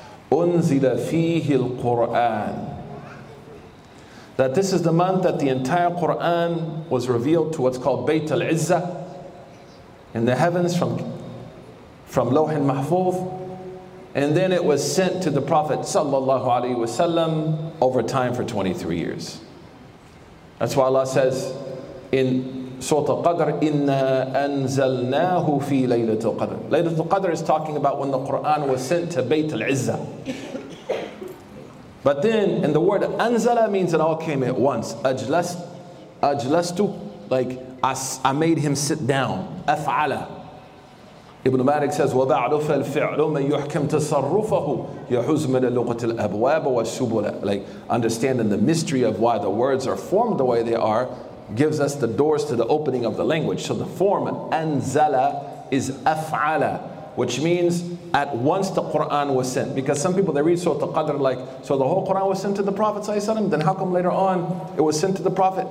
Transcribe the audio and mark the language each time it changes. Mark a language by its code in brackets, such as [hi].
[ar] أُنزِلَ فِيهِ الْقُرْآنِ, [en] that this is the month that the entire Qur'an was revealed to what's called Bayt al-Izzah in the heavens from Lawh al-Mahfuz, and then it was sent to the Prophet sallallahu alaihi wasallam over time for 23 years. That's why Allah says in [ar] Surah Al-Qadr, إِنَّا أَنزَلْنَاهُ فِي لَيْلَةُ الْقَدْرِ. [en] Laylatul Qadr is talking about when the Qur'an was sent to Bayt al-Izzah. But then, in the word anzala means it all came at once. Ajlastu, like I made him sit down. Af'ala. Ibn Malik says, [ar] وَبَعْدُ فَالْفِعْلُ مَنْ يُحْكَمْ تَصَرُّفَهُ يَحُزْمَ لِلُّغَةِ الْأَبْوَابَ وَالسُّبُلَ. [en] Like, understanding the mystery of why the words are formed the way they are gives us the doors to the opening of the language. So the form anzala is af'ala, which means at once the Qur'an was sent. Because some people, they read Surah Al-Qadr like, so the whole Qur'an was sent to the Prophet ﷺ, then how come later on it was sent to the Prophet?